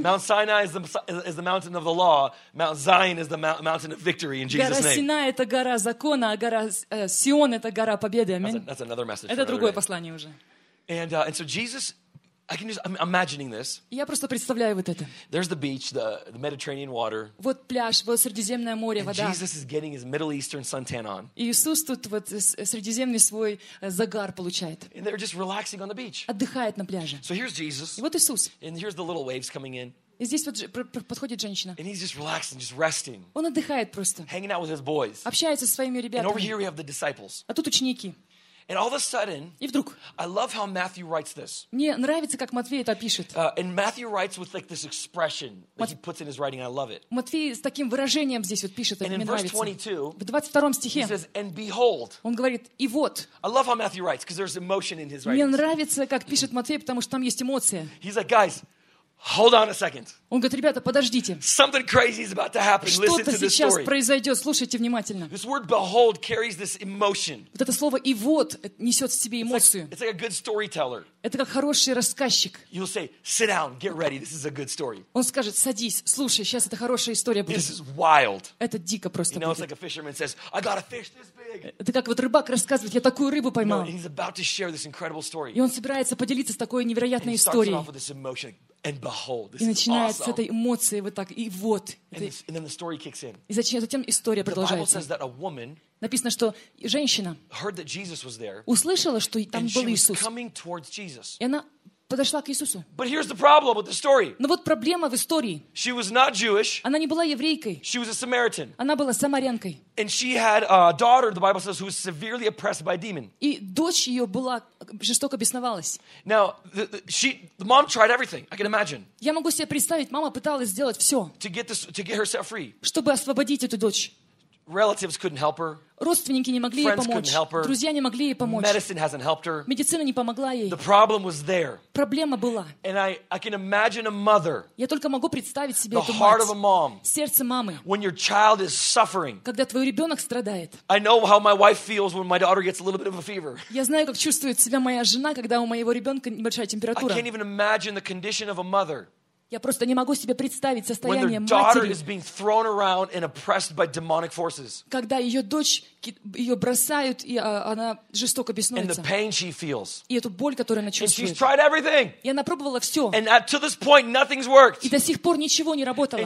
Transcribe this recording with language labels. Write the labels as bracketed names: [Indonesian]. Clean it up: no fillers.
[English] Mount Sinai is the mountain of the law. Mount Zion is the mountain of victory in Jesus' name. [Russian] Гора Синай — это гора закона, а гора Сион — это гора победы, аминь. [English] That's another message. [Russian] Это другое послание уже. [English] And so Jesus, I can just, I'm imagining this. [Russian] Я просто представляю вот это. [English] There's the beach, the Mediterranean water. [Russian] Вот пляж, вот Средиземное море, [English] and [Russian] вода. [English] Jesus is getting his Middle Eastern suntan on. [Russian] Иисус тут вот средиземный свой загар получает. [English] And they're just relaxing on the beach. [Russian] Отдыхает на пляже. [English] So here's Jesus. [Russian] И вот Иисус. [English] And here's the little waves coming in. [Russian] И здесь вот подходит женщина. [English] And he's just relaxing, just resting. [Russian] Он отдыхает просто. [English] Hanging out with his boys. [Russian] Общается со своими ребятами. [English] And over here we have the disciples. [Russian] А тут ученики. [English] And all of a sudden, [Russian] и вдруг, [English] I love how Matthew writes this. [Russian] Мне нравится, как Матвей это пишет. [English] And Matthew writes with like this expression that he puts in his writing. I love it. [Russian] Матвей с таким выражением здесь вот пишет. [English] And in verse 22, [Russian] в 22 стихе, [English] he says, "And behold." [Russian] Он говорит, и вот. [English] I love how Matthew writes because there's emotion in his writing. [Russian] Мне нравится, как пишет Матвей, потому что там есть эмоция. [English] He's like, guys, hold on a second. [Russian] Он говорит, ребята, подождите. [English] Something crazy is about to happen. Listen to this story. [Russian] Что-то сейчас произойдет. Слушайте внимательно. [English] This word "behold" carries this emotion. [Russian] Вот это слово "и вот" несет в себе эмоцию. [English] It's like a good storyteller. [Russian] Это как хороший рассказчик. [English] You'll say, "Sit down, get ready. This is a good story." [Russian] Он скажет, садись, слушай, сейчас это хорошая история будет. [English] This is wild. [Russian] Это дико просто. [English] You know, it's like a fisherman says, "I got a fish this big." [Russian] Это как вот рыбак рассказывает, я такую рыбу поймал. [English] No, he's about to share this incredible story. [Russian] И он собирается поделиться такой невероятной историей. [English] And he starts off with this emotion. And behold, this [Russian] и начинает [English] awesome. [Russian] С этой эмоции вот так, и вот. [English] And then the story kicks in. [Russian] И затем история продолжается. [English] The Bible says that a woman, [Russian] написано, что женщина [English] heard that Jesus was there, [Russian] услышала, что там был Иисус. [English] And she was coming towards Jesus. [Russian] И она подошла к Иисусу. [English] But here's the problem with the story. [Russian] Но вот проблема в истории. [English] She was not Jewish. [Russian] Она не была еврейкой. [English] She was a Samaritan. [Russian] Она была самарянкой. [English] And she had a daughter, the Bible says, who was severely oppressed by a demon. [Russian] И дочь ее была жестоко бесновалась. [English] Now, the mom tried everything, I can imagine. [Russian] Я могу себе представить, мама пыталась сделать все. [English] To get herself free. [Russian] Чтобы освободить эту дочь. [English] Relatives couldn't help her. [Russian] Родственники не могли [English] Friends [Russian] ей помочь. [English] Help her. [Russian] Друзья не могли ей помочь. [English] Medicine hasn't helped her. [Russian] Медицина не помогла ей. [English] The problem was there. [Russian] Проблема была. [English] And I can imagine a mother. [Russian] Я только могу представить себе эту мать. [English] The heart of a mom. [Russian] Сердце мамы. [English] When your child is suffering. [Russian] Когда твой ребенок страдает. [English] I know how my wife feels when my daughter gets a little bit of a fever. [Russian] Я знаю, как чувствует себя моя жена, когда у моего ребенка небольшая температура. [English] I can't even imagine the condition of a mother. [Russian] Я просто не могу себе представить состояние матери, когда ее дочь, ее бросают, и она жестоко беснуется. И эту боль, которую она чувствует. И она пробовала все. И до сих пор ничего не работало.